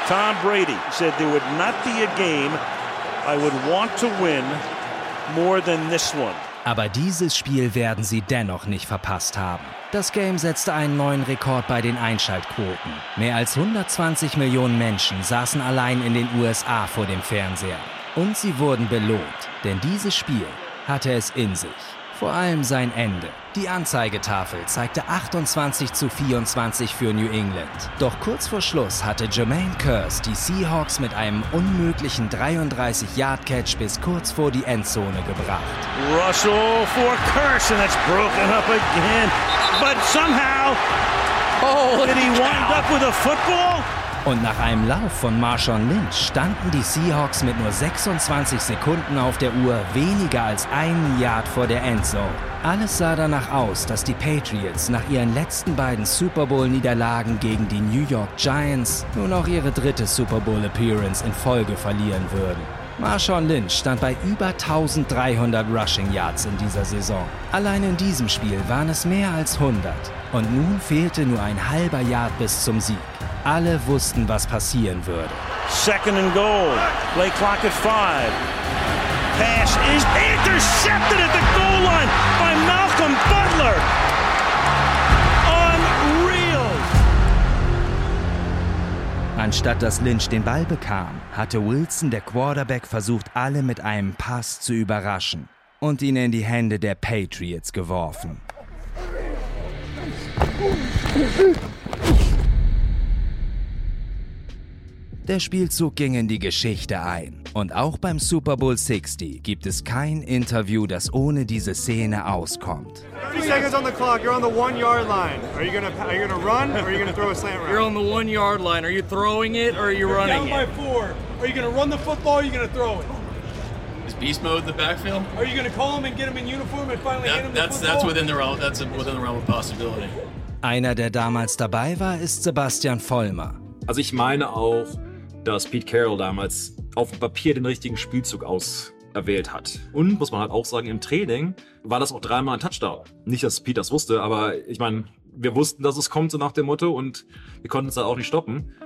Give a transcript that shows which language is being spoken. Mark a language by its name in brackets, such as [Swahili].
[English] Tom Brady said there would not be a game I would want to win more than this one. [German] Aber dieses Spiel werden sie dennoch nicht verpasst haben. Das Game setzte einen neuen Rekord bei den Einschaltquoten. Mehr als 120 Millionen Menschen saßen allein in den USA vor dem Fernseher. Und sie wurden belohnt, denn dieses Spiel hatte es in sich. Vor allem sein Ende. Die Anzeigetafel zeigte 28-24 für New England. Doch kurz vor Schluss hatte Jermaine Kearse die Seahawks mit einem unmöglichen 33-Yard-Catch bis kurz vor die Endzone gebracht. [English] Russell for Kearse, and it's broken up again. But somehow, did he wind up with a football? [German] Und nach einem Lauf von Marshawn Lynch standen die Seahawks mit nur 26 Sekunden auf der Uhr weniger als einen Yard vor der Endzone. Alles sah danach aus, dass die Patriots nach ihren letzten beiden Super Bowl-Niederlagen gegen die New York Giants nun auch ihre dritte Super Bowl-Appearance in Folge verlieren würden. Marshawn Lynch stand bei über 1300 Rushing Yards in dieser Saison. Allein in diesem Spiel waren es mehr als 100. Und nun fehlte nur ein halber Yard bis zum Sieg. Alle wussten, was passieren würde. [English] Second and goal. Play clock at 5. Pass is intercepted at the goal line by Malcolm Butler. Unreal. [German] Anstatt dass Lynch den Ball bekam, hatte Wilson, der Quarterback, versucht, alle mit einem Pass zu überraschen und ihn in die Hände der Patriots geworfen. Der Spielzug ging in die Geschichte ein. Und auch beim Super Bowl 60 gibt es kein Interview, das ohne diese Szene auskommt. [English] 30 seconds on the clock, you're on the 1 yard line. Are you gonna run or are you gonna throw a slant route? You're on the 1 yard line. Are you throwing it or are you running? You're down by 4. Are you gonna run the football or are you gonna throw it? Is beast mode the backfield? Are you gonna call him and get him in uniform and finally hit him the football? That's within the realm of possibility. [German] Einer, der damals dabei war, ist Sebastian Vollmer. Also ich meine auch, dass Pete Carroll damals auf dem Papier den richtigen Spielzug auserwählt hat. Und muss man halt auch sagen, im Training war das auch dreimal ein Touchdown. Nicht, dass Pete das wusste, aber ich meine, wir wussten, dass es kommt, so nach dem Motto, und wir konnten es halt auch nicht stoppen.